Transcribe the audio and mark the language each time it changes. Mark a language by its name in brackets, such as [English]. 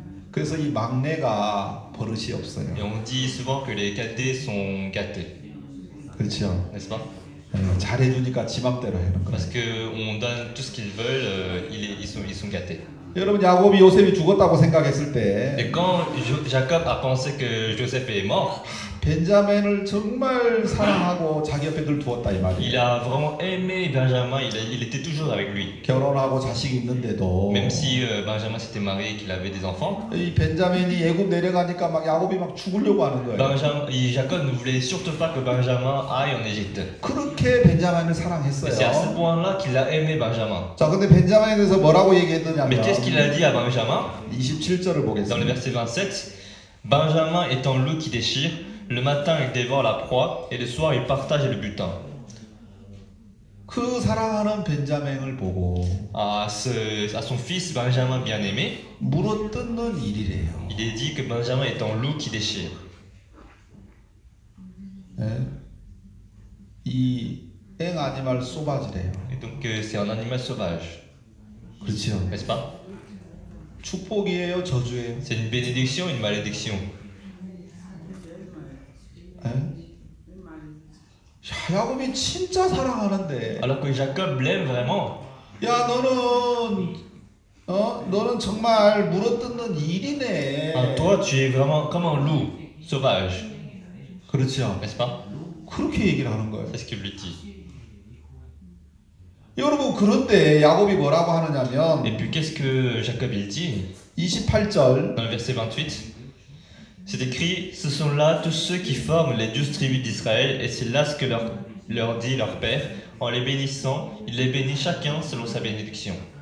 [Korean] 그래서 이 막내가 버릇이 없어요. [French] Et on dit souvent que les cadets sont gâtés. [Korean] 그렇죠. [French] N'est-ce pas? [Korean] 잘해주니까 지 맘대로 하는 거예요. [French] Parce que on donne tout ce qu'ils veulent, ils sont gâtés. [Korean] 여러분 야곱이 요셉이 죽었다고 생각했을 때 [French] Et quand Jacob a pensé que Joseph est mort, [Korean] 벤자민을 정말 사랑하고 자기 옆에 늘 두었다 이 말이에요. [French] Il a vraiment aimé Benjamin, il était toujours avec lui. [Korean] 결혼하고 자식 있는데도 [French] Même si Benjamin s'était marié et qu'il avait des enfants. [Korean] 이 벤자민이 애굽 내려가니까 막 야곱이 막 죽으려고 하는 거예요. [French] Benjamin, Jacob ne voulait surtout pas que Benjamin aille en Égypte. [Korean] 그렇게 벤자민을 사랑했어요. [French] C'est à ce point-là qu'il a aimé Benjamin. [Korean] 자, 근데 벤자민에서 뭐라고 얘기했느냐면 [French] Mais qu'est-ce qu'il a dit à Benjamin? [Korean] 27절을 보겠습니다. [French] Dans le verset 27, Benjamin est un loup qui déchire. Le matin, il dévore la proie et le soir, il partage le butin. [Korean] 그 사랑하는 벤자민을 보고 [French] à son fils Benjamin bien-aimé, [Korean] 물어뜯는 일이래요. [French] Il est dit que Benjamin est un loup qui déchire. 이 un animal sauvage래요. Et donc c'est un animal sauvage. [Korean] 그렇죠. [French] N'est-ce pas? [Korean] 축복이에요, 저주예요? [French] C'est une bénédiction, une malédiction. [Korean] 야, 야곱이 진짜 사랑하는데. [French] Alors que Jacob l'aime vraiment. [Korean] 야, 너는 어? 너는 정말 물어뜯는 일이네. [French] Ah, toi tu es vraiment comme un loup sauvage. [Korean] 그렇죠. [French] N'est-ce pas? [Korean] 그렇게 얘기를 하는 거예요. [French] C'est ce qu'il lui dit. [Korean] 여러분, 그런데 야곱이 뭐라고 하느냐면 [French] Et puis qu'est-ce que Jacob il dit? [Korean] 28절. [French] Dans le verset 28. C'est écrit, ce sont là tous ceux qui forment les 12 tribus d'Israël, et c'est là ce que leur dit leur père. En les bénissant, il les bénit chacun selon sa bénédiction.